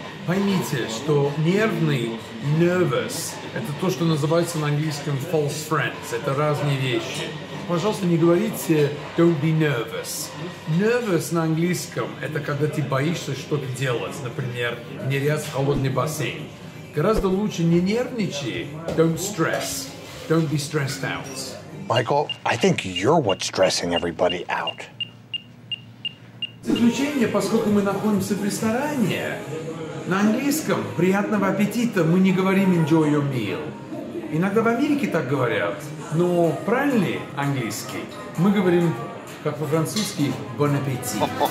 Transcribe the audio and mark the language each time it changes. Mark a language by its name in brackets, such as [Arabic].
[Russian] Поймите, что нервный, nervous, это то, что называется на английском false friends. Это разные вещи. Пожалуйста, не говорите [English] don't be nervous. [Russian] Nervous на английском – это когда ты боишься что-то делать, например, нырять в холодный бассейн. Гораздо лучше не нервничай, [English] don't stress, don't be stressed out. Michael, I think you're what's stressing everybody out. [Russian] В заключение, поскольку мы находимся в ресторане, на английском «приятного аппетита» мы не говорим [English] «enjoy your meal». [Russian] Иногда в Америке так говорят, но правильный английский мы говорим, как по-французски, «bon appétit».